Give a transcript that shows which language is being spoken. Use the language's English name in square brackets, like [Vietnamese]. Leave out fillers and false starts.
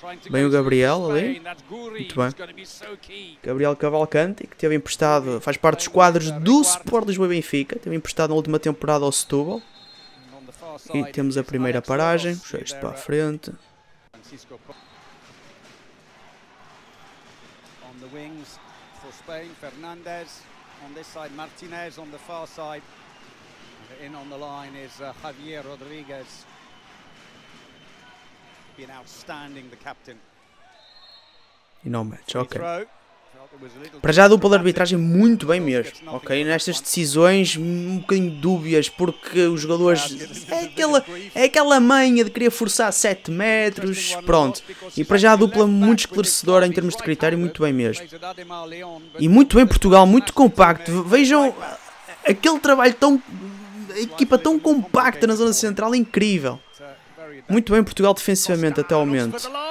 [Portuguese] Bem o Gabriel ali, muito bem. Gabriel Cavalcante, que teve emprestado, faz parte dos quadros do Sport Lisboa e Benfica, teve emprestado na última temporada ao Setúbal. E temos a primeira paragem, puxa isto para a frente. [English] Wings for Spain, Fernandez on this side, Martinez on the far side, in on the line is Javier Rodriguez, been outstanding, the captain. [Portuguese] E não match, ok. Para já a dupla de arbitragem muito bem mesmo, ok, nestas decisões um bocadinho dúbias, porque os jogadores, é aquela manha de querer forçar 7 metros, pronto, e para já a dupla muito esclarecedora em termos de critério, muito bem mesmo, e muito bem Portugal, muito compacto, vejam aquele trabalho tão, a equipa tão compacta na zona central, incrível, muito bem Portugal defensivamente até ao momento.